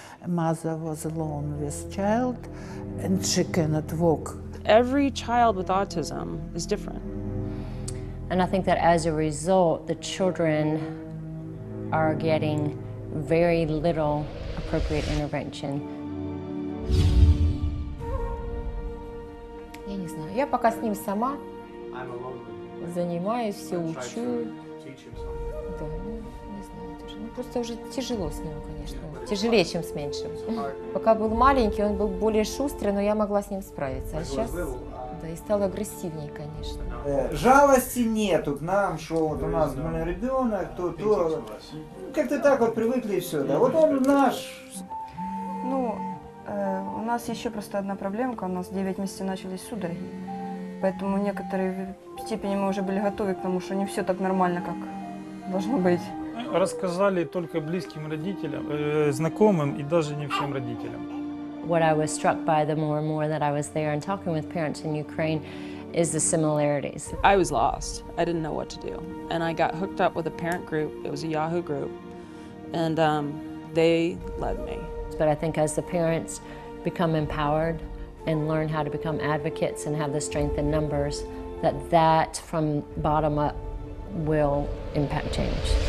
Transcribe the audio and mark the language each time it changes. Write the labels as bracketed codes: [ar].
[en] A mother was alone with child, and she cannot walk. Every child with autism is different. And I think that as a result, the children are getting very little appropriate intervention. [ru] Я не знаю. Я пока с ним сама занимаюсь, все учу. Да, не знаю, тоже. Ну просто уже тяжело с ним, конечно. Тяжелее, чем с меньшим. Пока был маленький, он был более шустрый, но я могла с ним справиться. А сейчас, да, и стал агрессивнее, конечно. Жалости нету к нам, что вот у нас был ребенок, то. Как-то так вот привыкли и все, да. Вот он наш. Ну. У нас еще просто одна проблемка. У нас 9 месяцев начались судороги. поэтому в некоторой степени мы уже были готовы к тому, что не все так нормально, как должно быть. Рассказали только близким родителям, знакомым и даже не всем родителям. [en] What I was struck by the more and more that I was there and talking with parents in Ukraine is the similarities. I was lost. I didn't know what to do. And I got hooked up with a parent group. It was a Yahoo group. And they led me. But I think as the parents become empowered and learn how to become advocates and have the strength in numbers, that from bottom up will impact change.